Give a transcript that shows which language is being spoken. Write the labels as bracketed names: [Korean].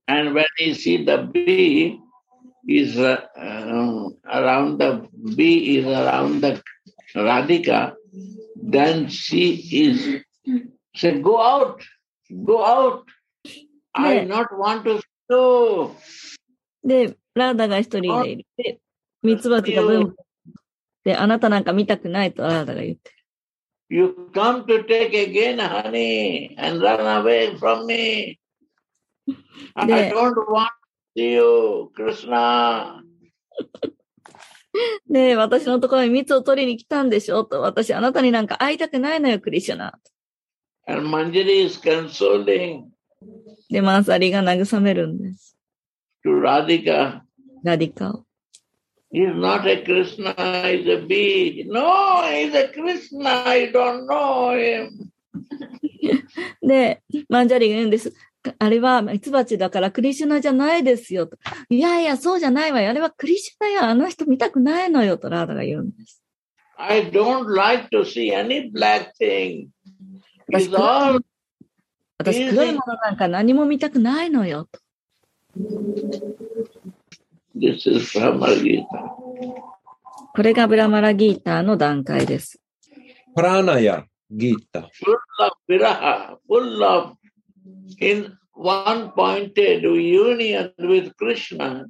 [English] And when you see the bee is around the bee is around the Radhika, then she is say go out. Go out! I not want to go! [Japanese] で、ラーダが一人でいる。で、ミツバチがブン。で、あなたなんか見たくないとラーダが言って。 [English] You come to take again, honey, and run away from me. I don't want to see you, Krishna. [Japanese] で、私のところにミツを取りに来たんでしょうと。私、あなたになんか会いたくないのよ、クリシュナ。 [English] And Manjari is consoling. [Japanese] で、マンサリが慰めるんです。 [English] To Radhika. Radhika. He's not a Krishna, he's a bee. No, he's a Krishna, I don't know him. [Japanese] で、マンジャリが言うんです。あれはミツバチだからクリシュナじゃないですよと。いやいや、そうじゃないわよ。あれはクリシュナよ。あの人見たくないのよとラーダが言うんです。 [English] I don't like to see any black thing. [Japanese] 私黒いものなんか何も見たくないのよと。 [English] This is Brahmara Gita. [Japanese] これがブラマラギーターの段階です。プラナヤギーター [English] 。 Full of viraha, full of in one pointed union with Krishna.